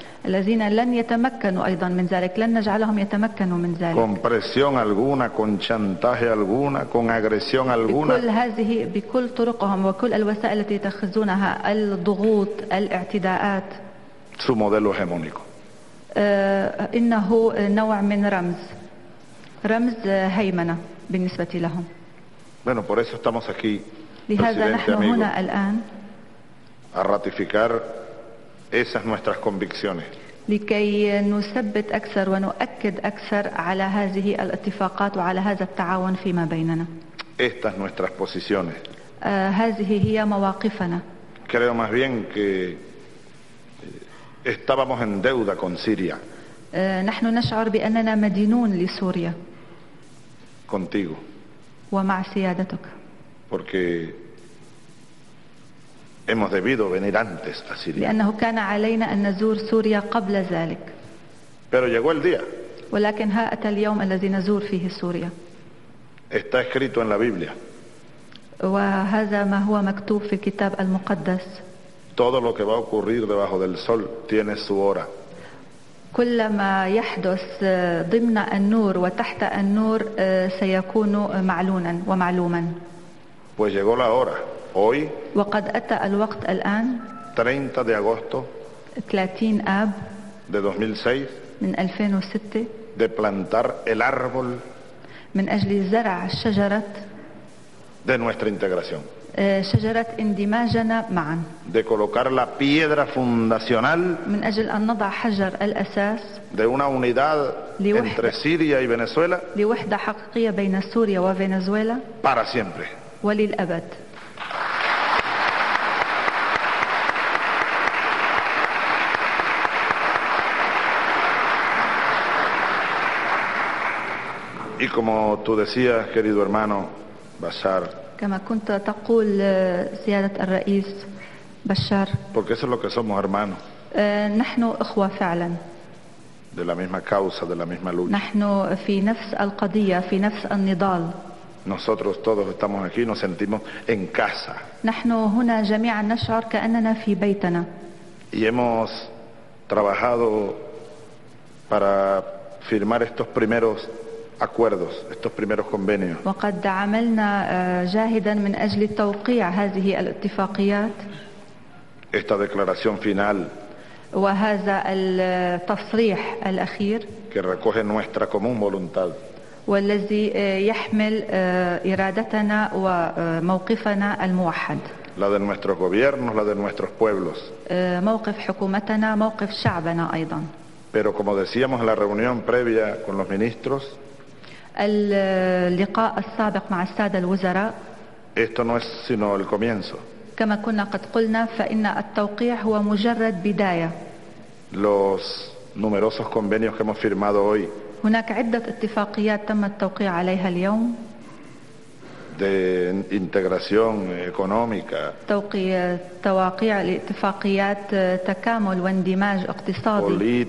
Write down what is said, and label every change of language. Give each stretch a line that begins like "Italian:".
Arabic: الذين لن يتمكنوا أيضا من ذلك لن نجعلهم يتمكنوا من ذلك.
Spanish: Con presión alguna, con chantaje alguna, con agresión alguna.
Arabic: بكل هذه بكل طرقهم وكل الوسائل التي يتخذونها الضغوط الاعتداءات.
Spanish: Su modelo hegemónico.
Arabic: إنه نوع من رمز هيمنة بالنسبة لهم.
Spanish: Bueno, por eso estamos aquí.
Arabic: لهذا نحن
Spanish: amigo,
Arabic: هنا الآن.
Spanish: A ratificar. Esas nuestras convicciones.
Arabic: لكي نثبت أكثر ونؤكد أكثر على هذه الاتفاقات وعلى هذا التعاون فيما بيننا.
Spanish: Estas nuestras posiciones.
Arabic: هذه هي مواقفنا.
Spanish: Creo más bien que estábamos en deuda con Siria.
Arabic: نحن نشعر بأننا مدينون لسوريا.
Spanish: Contigo.
Arabic: ومع سيادتك.
Spanish: Porque hemos debido venir antes a Siria.
Arabic: لأنه كان علينا أن نزور سوريا قبل ذلك.
Spanish: Pero llegó el día.
Arabic: ولكن ها أتى اليوم الذي نزور فيه سوريا.
Spanish: Está escrito en la Biblia.
Arabic: وهذا ما هو مكتوب في الكتاب المقدس.
Spanish: Todo lo que va a ocurrir debajo del sol tiene su hora.
Arabic: كل ما يحدث ضمن النور وتحت النور سيكون معلونا ومعلوما.
Spanish: Pues llegó la hora. Hoy,
Arabic: وقد أتى الوقت الآن
Spanish: 30 de agosto
Arabic: 30 آب
Spanish: de 2006
Arabic: من 2006
Spanish: de plantar el árbol
Arabic: من أجل زرع شجرة
Spanish: de nuestra integración
Arabic: شجرة اندماجنا معا
Spanish: de colocar la piedra fundacional
Arabic: من أجل أن نضع حجر الأساس
Spanish: de una unidad
Arabic: لوحدة
Spanish: entre Siria y Venezuela
Arabic: لوحدة حقيقية بين سوريا وفنزويلا
Spanish: para siempre
Arabic: وللأبد.
Spanish: Y como tú decías, querido hermano Bashar,
Arabic: كما كنت تقول سيادة الرئيس بشار,
Spanish: porque eso es lo que somos hermanos.
Arabic: نحن إخوة فعلا.
Spanish: De la misma causa, de la misma lucha.
Arabic: نحن في نفس القضية, في نفس النضال.
Spanish: Nosotros todos estamos aquí, nos sentimos en casa.
Arabic: نحن هنا جميعا نشعر كأننا في بيتنا.
Spanish: Y hemos trabajado para firmar estos primeros acuerdos, estos primeros convenios.
Arabic: وقد عملنا جاهدا من أجل توقيع هذه الاتفاقيات.
Spanish: Esta declaración final.
Arabic: وهذا التصريح الأخير.
Spanish: Que recoge nuestra común voluntad.
Arabic: والذي يحمل إرادتنا وموقفنا الموحد.
Spanish: La de nuestros gobiernos, la de nuestros pueblos.
Arabic: موقف حكومتنا, موقف شعبنا أيضا.
Spanish: Pero como decíamos en la reunión previa con los ministros.
Arabic: اللقاء السابق مع السادة الوزراء
Spanish: Esto no es sino el comienzo.
Arabic: كما كنا قد قلنا فإن التوقيع هو مجرد بداية
Spanish: Los numerosos convenios que hemos firmado hoy
Arabic: هناك عدة اتفاقيات تم التوقيع عليها اليوم
Spanish: de integración económica
Arabic: تواقيع الاتفاقيات تكامل واندماج اقتصادي